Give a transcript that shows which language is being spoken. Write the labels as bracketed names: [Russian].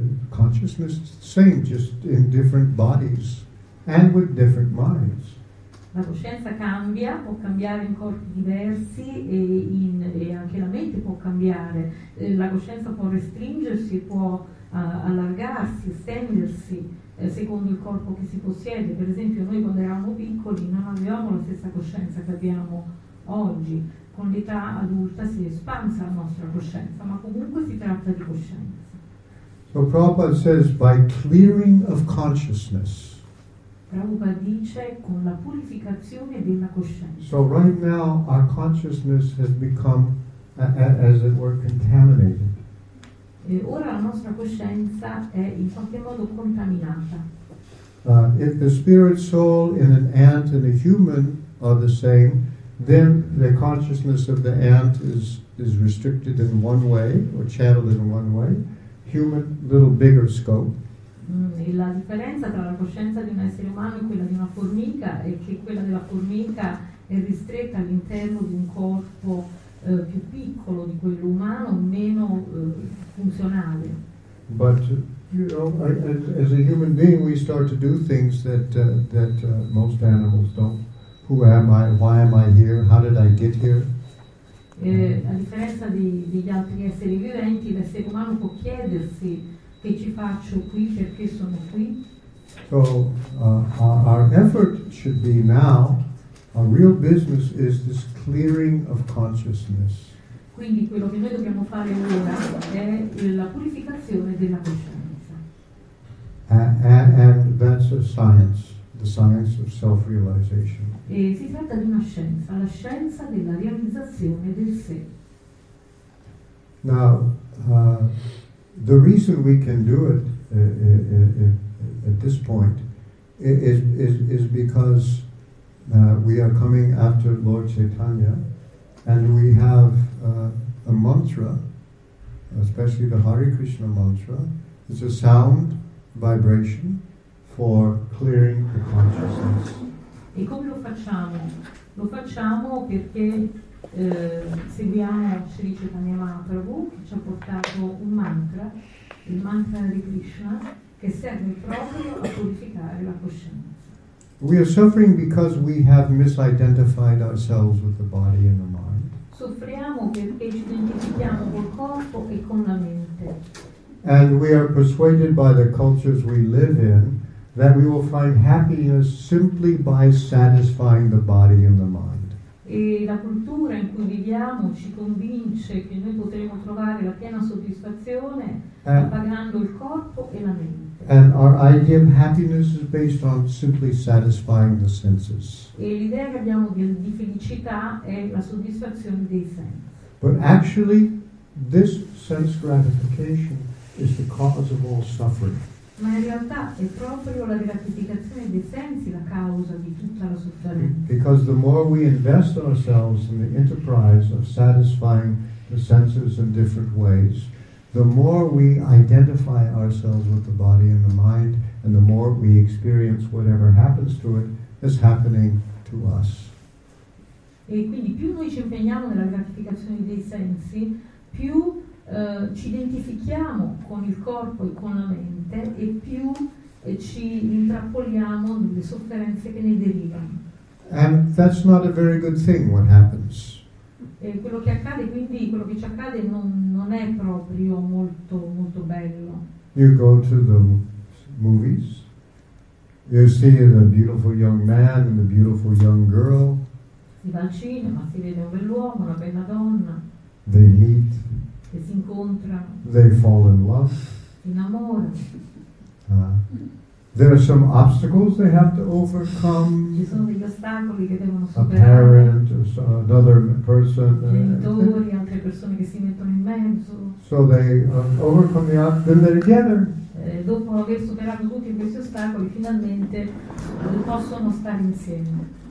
[English] Consciousness is the same, just in different bodies and with different minds. [Italian] La coscienza cambia, può cambiare in corpi diversi e anche la mente può cambiare. La coscienza può restringersi, può allargarsi, estendersi secondo il corpo che si possiede. Per esempio, noi quando eravamo piccoli non avevamo la stessa coscienza che abbiamo oggi. Con l'età adulta si espansa la nostra coscienza, ma comunque si tratta di coscienza. [English] So Prabhupada says, by clearing of consciousness. [Italian] Prabhupada dice con la purificazione della coscienza. [English] So right now our consciousness has become, as it were, contaminated. [Italian] E ora la nostra coscienza è in qualche modo contaminata. [English] If the spirit soul in an ant and a human are the same, then the consciousness of the ant is restricted in one way or channeled in one way. Human, little bigger scope. [Italian] E la differenza tra la coscienza di un essere umano e quella di una formica è che quella della formica è ristretta all'interno di un corpo più piccolo di quello umano, meno funzionale. [English] But you know, as a human being, we start to do things that most animals don't. Who am I? Why am I here? How did I get here? [Italian] A differenza degli altri esseri viventi, l'essere umano può chiedersi che ci faccio qui, perché sono qui. [English] So our effort should be now. Our real business is this clearing of consciousness. [Italian] Quindi quello che noi dobbiamo fare ora è la purificazione della coscienza. [English] And that's a science, the science of self-realization. [Italian] E si tratta di una scienza, la scienza della realizzazione del sé. [English] Now, the reason we can do it at this point is because we are coming after Lord Chaitanya, and we have a mantra, especially the Hare Krishna mantra. It's a sound vibration for clearing the consciousness. [Italian] E come lo facciamo? Lo facciamo perché seguiamo Sri Chaitanya Mahaprabhu, che ci ha portato un mantra, il mantra di Krishna, che serve proprio a purificare la coscienza. [English] We are suffering because we have misidentified ourselves with the body and the mind. [Italian] Soffriamo perché ci identifichiamo col corpo e con la mente. [English] And we are persuaded by the cultures we live in that we will find happiness simply by satisfying the body and the mind. [Italian] E la cultura in cui viviamo ci convince che noi potremo trovare la piena soddisfazione pagando il corpo e la mente. [English] And our idea of happiness is based on simply satisfying the senses. [Italian] E l'idea che abbiamo di felicità è la soddisfazione dei sensi. [English] But actually, this sense gratification is the cause of all suffering. [Italian] Ma in realtà è proprio la gratificazione dei sensi la causa di tutta la sofferenza. [English] Because the more we invest ourselves in the enterprise of satisfying the senses in different ways, the more we identify ourselves with the body and the mind, and the more we experience whatever happens to it is happening to us. [Italian] E quindi più noi ci impegniamo nella gratificazione dei sensi, più ci identifichiamo con il corpo e con la mente, e più ci intrappoliamo nelle sofferenze che ne derivano. [English] And that's not a very good thing, what happens. [Italian] E quello che accade, quindi, quello che ci accade non è proprio molto, molto bello. [English] You go to the movies, you see a beautiful young man and a beautiful young girl. [Italian] Si va al cinema, si vede un bell'uomo, una bella donna. [English] They meet. [Italian] E si incontrano. [English] They fall in love. [Italian] Si innamora. [English] There are some obstacles they have to overcome. [Italian] Ci sono degli ostacoli che devono superare. [English] A parent or another person. [Italian] Genitori, altre persone che si mettono in mezzo. [English] So they overcome the obstacles, then they're together. [Italian] Dopo aver superato tutti questi ostacoli, finalmente possono stare insieme.